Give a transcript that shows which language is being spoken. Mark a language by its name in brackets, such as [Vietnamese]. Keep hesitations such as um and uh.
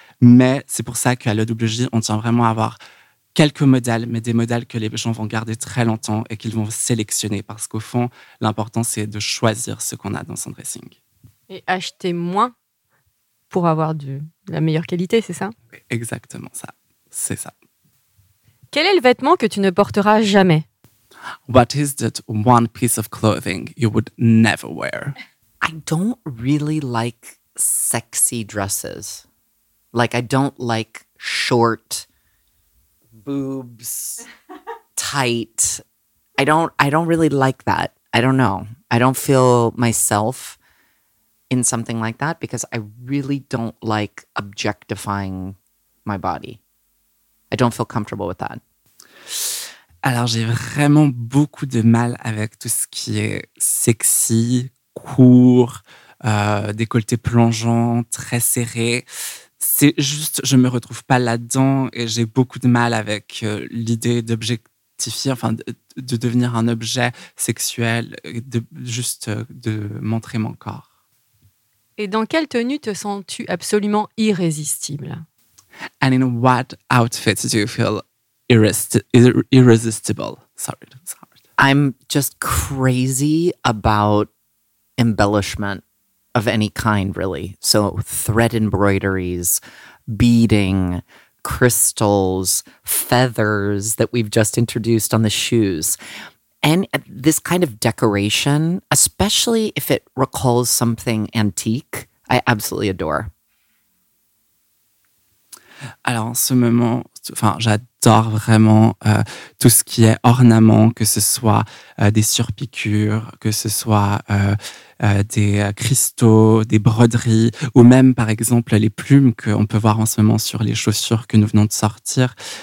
[French] Mais c'est pour ça qu'à l'EWJ, on tient vraiment à avoir quelques modèles, mais des modèles que les gens vont garder très longtemps et qu'ils vont sélectionner. Parce qu'au fond, l'important, c'est de choisir ce qu'on a dans son dressing. Et acheter moins pour avoir de, de la meilleure qualité, c'est ça Exactement ça. C'est ça. Quel est le vêtement que tu ne porteras jamais [English] What is that one piece of clothing you would never wear I don't really like sexy dresses. Like I don't like short boobs tight. I don't I don't really like that. I don't know. I don't feel myself in something like that because I really don't like objectifying my body. I don't feel comfortable with that. [French] Alors j'ai vraiment beaucoup de mal avec tout ce qui est sexy, court, euh, décolleté plongeant, très serré. c'est juste, je me retrouve pas là-dedans et j'ai beaucoup de mal avec euh, l'idée d'objectifier, enfin, de, de, devenir un objet sexuel, et de, juste de montrer mon corps. Et dans quelle tenue te sens-tu absolument irrésistible [English] And in what outfit do you feel irresistible sorry, sorry, I'm just crazy about embellishment. of any kind, really. So, thread embroideries, beading, crystals, feathers that we've just introduced on the shoes. And this kind of decoration, especially if it recalls something antique, I absolutely adore. [French] Alors, en ce moment, enfin, j'adore vraiment euh, tout ce qui est ornement, que ce soit euh, des surpiqûres, que ce soit euh, Euh, des euh, cristaux, des broderies, ou même par exemple les plumes qu'on peut voir en ce moment sur les chaussures que nous venons de sortir.